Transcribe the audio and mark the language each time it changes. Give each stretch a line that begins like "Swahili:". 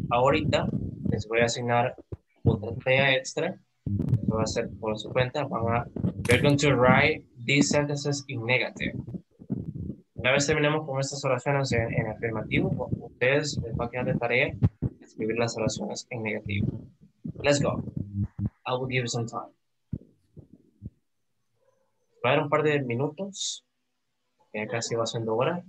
Spanish: Ahorita les voy a asignar otra tarea extra. Lo va a hacer por su cuenta. Van a,
English: we're going to write these sentences in negative.
Spanish: Una vez terminemos con estas oraciones en afirmativo, ustedes les va a quedar de tarea escribir las oraciones en negativo.
English: Let's go. I will give you some time.
Spanish: Va a dar un par de minutos. Ya casi va siendo hora.